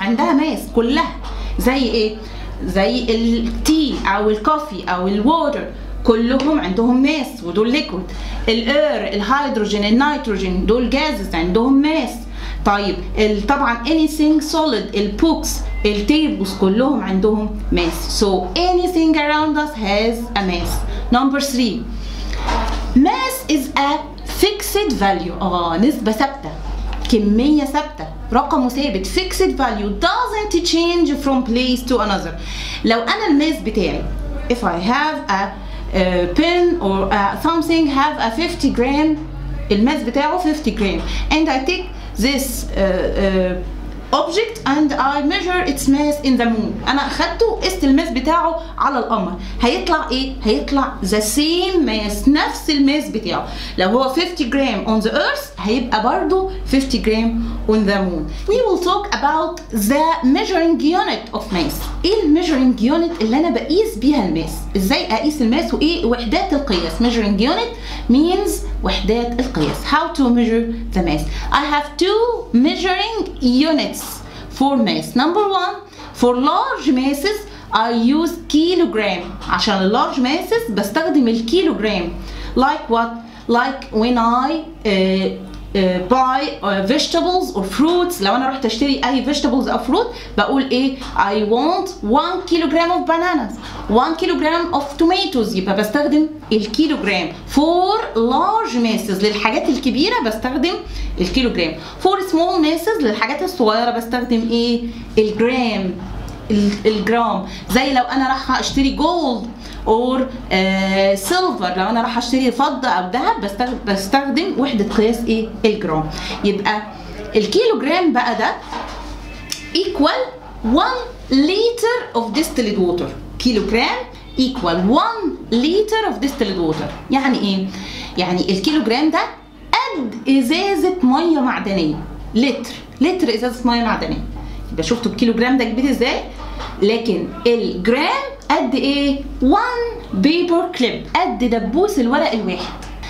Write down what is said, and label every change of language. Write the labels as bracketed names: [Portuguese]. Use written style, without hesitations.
[Arabic] عندها mass كلها. زي إيه؟ زي التي أو الكوفي أو الwater، كلهم عندهم mass ودول liquid. الأير، الهيدروجين، النيتروجين، دول gases عندهم mass. طيب طبعا anything solid، البوكس، التيبوس، كلهم عندهم mass. [English] So anything around us has a mass. Number three. Mass is a fixed value. [Arabic] نسبة ثابتة، كمية ثابتة، رقم ثابت. [English] Fixed value doesn't change from place to another. [Arabic] لو أنا الماس بتاعي، [English] if I have a pen or something have a 50 gram، [Arabic] الماس بتاعه [English] 50 gram، and I take this object and I measure its mass in the moon. [Arabic] انا اخدته قست الماس بتاعه على القمر، هيطلع ايه؟ هيطلع [English] the same mass، [Arabic] نفس الماس بتاعه. لو هو 50 gram [English] on the earth [Arabic] هيبقى برضو 50 gram [English] on the moon. We will talk about the measuring unit of mass. [Arabic] ايه measuring unit اللي انا بقيس بيها الماس؟ ازاي اقيس الماس وايه وحدات القياس؟ [English] measuring unit means [Arabic] وحدات القياس. [English] How to measure the mass? I have two measuring units for mass. Number one, for large masses I use kilogram. [Arabic] عشان large masses بستخدم الكيلوغرام. [English] Like what? Like when I buy vegetables or fruits. [Arabic] لو انا رحت اشتري اي vegetables او fruit بقول ايه؟ [English] I want 1 kilogram of bananas. 1 kilogram of tomatoes. [Arabic] يبقى بستخدم الكيلوغرام. [English] For large masses [Arabic] للحاجات الكبيرة بستخدم الكيلوغرام. [English] For small masses [Arabic] للحاجات الصغيرة بستخدم ايه؟ الجرام. الجرام، زي لو انا راح اشتري [English] gold or silver, [Arabic] لو انا راح اشتري فضه او ذهب بستخدم وحده قياس ايه؟ الجرام. يبقى الكيلو جرام بقى ده [English] equal 1 liter of distilled water. Kilogram equal 1 liter of distilled water. [Arabic] يعني ايه؟ يعني الكيلو جرام ده قد ازازه ميه معدنيه، لتر، لتر ازازه ميه معدنيه. يبقى شفتوا الكيلو جرام ده كبير ازاي؟ لكن الجرام قد ايه؟ 1 بيبر كليب، قد دبوس الورق الواحد.